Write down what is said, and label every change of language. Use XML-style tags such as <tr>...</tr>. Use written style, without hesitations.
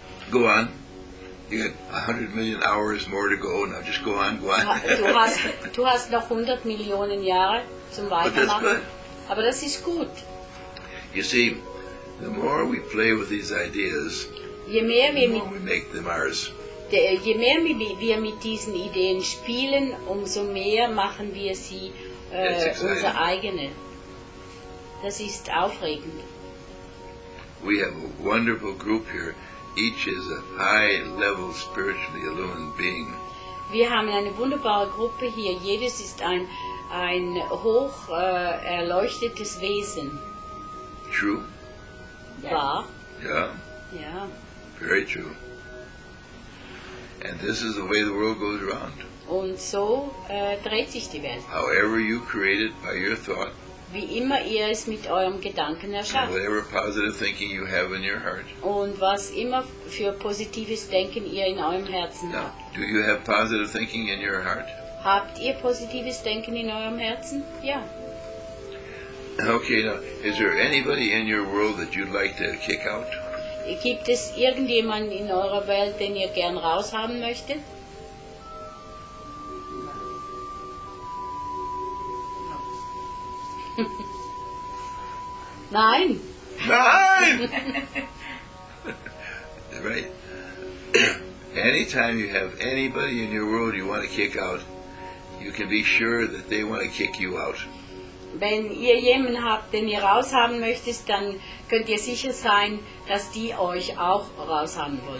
<en>Go on. You got 100 million hours more to go. Now just go on, go on.</en> <de>Du hast noch 100 Millionen Jahre zum Weitermachen.</de> <en>But that's good.</en> <de>Aber das ist gut.</de> <en>You see, the more we play with these ideas, the more we make them ours.</en> <de>Je mehr wir mit diesen Ideen spielen, umso mehr machen wir sie unsere eigene. Das ist aufregend.</de> <en>We have a wonderful group here. Each is a high-level spiritually illumined being.</en> <de>Wir haben eine wunderbare Gruppe hier. Jedes ist ein hoch erleuchtetes Wesen.</de> <en>True.</en> <de>Wahr.</de> <en>Yeah. Yeah. Very true. And this is the way the world goes around.</en> <de>Und so dreht sich die Welt.</de> <en>However you create it by your thought.</en> <de>Wie immer ihr es mit eurem Gedanken erschafft.</de> <en>And whatever positive thinking you have in your heart.</en> <de>Und was immer für positives Denken ihr in eurem Herzen habt.</de> <en>Now, do you have positive thinking in your heart?</en> <de>Habt ihr positives Denken in eurem Herzen? Ja.</de> <en>Okay, now, is there anybody in your world that you'd like to kick out?</en> <de>Gibt es irgendjemanden in eurer Welt, den ihr gern raushaben möchtet? Nein. Nein.</de> <en>anytime you have anybody in your world you want to kick out, you can be sure that they want to kick you out.</en> <de>Wenn ihr jemanden habt, den ihr raushaben möchtet, dann könnt ihr sicher sein, dass die euch auch raushaben wollen.</de>